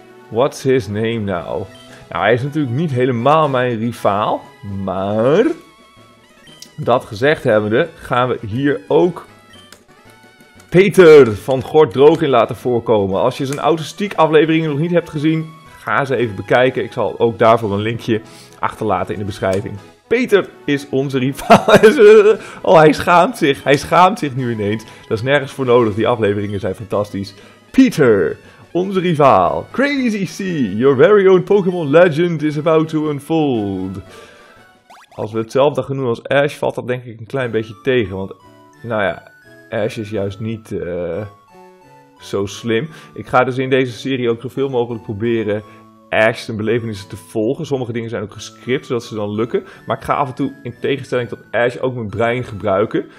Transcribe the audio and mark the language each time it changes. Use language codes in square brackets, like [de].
[en] What's his name now? [nl] Nou, hij is natuurlijk niet helemaal mijn rivaal, maar dat gezegd hebbende gaan we hier ook Peter van Gort Droog in laten voorkomen. Als je zijn autistiek afleveringen nog niet hebt gezien, ga ze even bekijken. Ik zal ook daarvoor een linkje achterlaten in de beschrijving. Peter is onze rivaal. Oh, hij schaamt zich. Hij schaamt zich nu ineens. Dat is nergens voor nodig. Die afleveringen zijn fantastisch. Peter! Onze rivaal, [en] Crazy C, your very own Pokémon legend is about to unfold. [nl] Als we hetzelfde gaan doen als Ash, valt dat denk ik een klein beetje tegen. Want, nou ja, Ash is juist niet zo slim. Ik ga dus in deze serie ook zoveel mogelijk proberen Ash zijn belevenissen te volgen. Sommige dingen zijn ook gescript, zodat ze dan lukken. Maar ik ga af en toe, in tegenstelling tot Ash, ook mijn brein gebruiken.